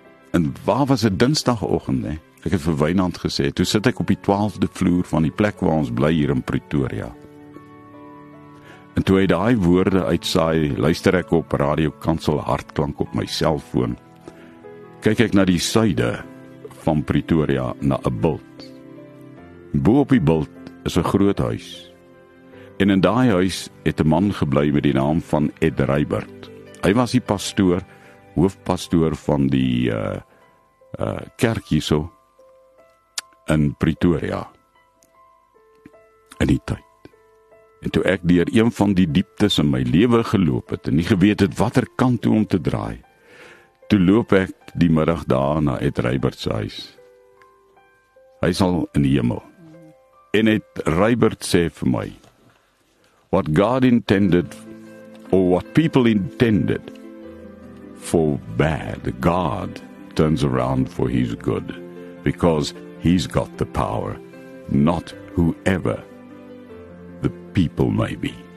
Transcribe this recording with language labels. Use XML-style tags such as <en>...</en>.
<af>En waar was het dinsdagoggend, hè? Ek het vir Wynand gesê, toe sit ek op die 12de vloer van die plek waar ons bly hier in Pretoria. En toe hy daai woorde uitsaai, luister ek op Radio Kansel Hartklank op my selfoon. Kyk ek na die suide van Pretoria, na 'n bult. Bo op die bult is 'n groot huis. En in daai huis het 'n man gebly met die naam van Ed Rybert. Hy was die pastoor, hoofpastoor van die kerk hierso in Pretoria. In die tyd. En toe ek deur een van die dieptes in my lewe geloop het en nie geweet het watter kant toe om te draai, toe loop ek die middag daar na Ed Rybert se huis. Hy is al in die hemel. En Ed Rybert sê vir my,</af> <en>what God intended, or what people intended for bad, God turns around for his good, because he's got the power, not whoever the people may be.</en>